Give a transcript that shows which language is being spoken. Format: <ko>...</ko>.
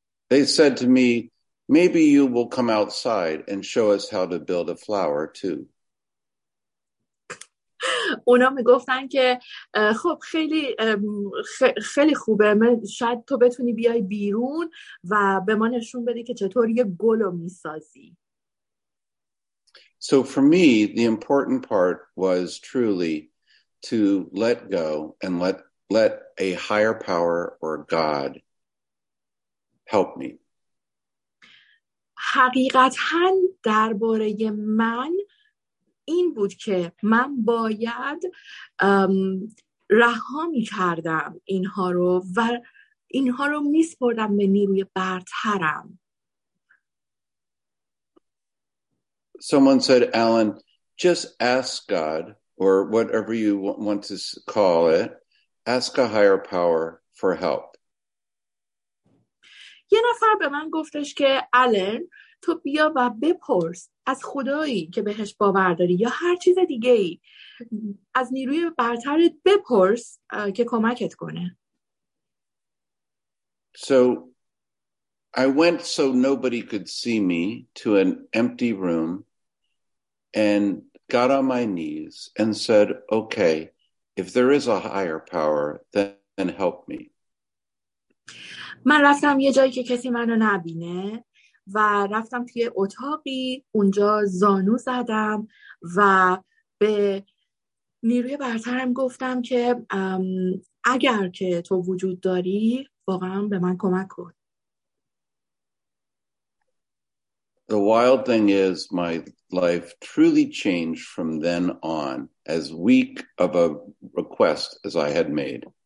<en>They said to me, maybe you will come outside and show us how to build a flower too.</en> <fa>اونا میگفتن که خب خیلی خیلی خوبه، شاید تو بتونی بیای بیرون و به ما نشون بدی که چطور یه گل رو میسازی.</fa> <en>So for me, the important part was truly to let go and let a higher power or God help me.</en> <fa>حقیقتاً درباره من این بود که من باید رها می کردم اینها رو و اینها رو می سپردم به نیروی برترم.</fa> <en>Someone said, Alan, just ask God, or whatever you want to call it, ask a higher power for help.</en> <fa>یه نفر به من گفتش که آلن، تو بیا و بپرس از خدایی که بهش باور داری یا هر چیز دیگه ای، از نیروی برترت بپرس که کمکت کنه.</fa> <en>So I went so nobody could see me to an empty room and got on my knees and said, okay, if there is a higher power, then help me.</en> <fa>من رفتم یه جایی که کسی منو نبینه و رفتم توی اتاقی، اونجا زانو زدم و به نیروی برترم گفتم که اگر که تو وجود داری واقعا به من کمک کن.</fa> <en>The wild thing is my life truly changed from then on, as weak of a request as I had made.</en>